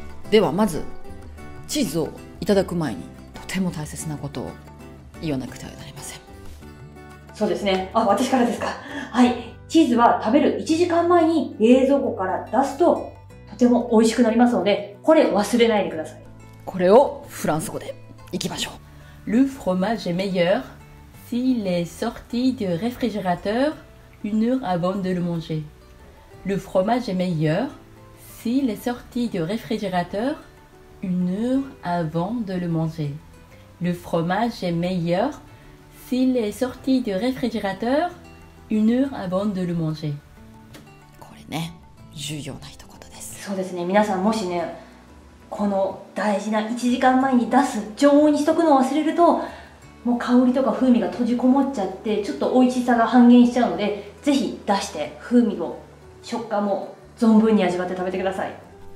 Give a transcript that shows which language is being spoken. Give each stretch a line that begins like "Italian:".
Japanese: ではまずチーズをいただく前にとても大切なことを言わなくてはなりません。そうですね、あ、私からですか。はい、チーズは食べる1時間前に冷蔵庫から出すととても美味しくなりますので、これ忘れないでください。これをフランス語でいきましょう。
French: Le fromage est meilleurS'il est sorti du réfrigérateur une heure avant de le manger. Le fromage est meilleur s'il est sorti du réfrigérateur une heure avant de le manger. Le fromage est meilleur s'il est sorti du réfrigérateur une heure avant de le manger.
Japanese: これね、重要な一言です。そうですね、皆さんもしね、この大事な1時間前に出す、常温にしとくのを忘れると、もう香りとか風味が閉じこもっちゃってちょっと美味しさが半減しちゃうので、ぜひ出して風味も食感も存分に味わって食べてください。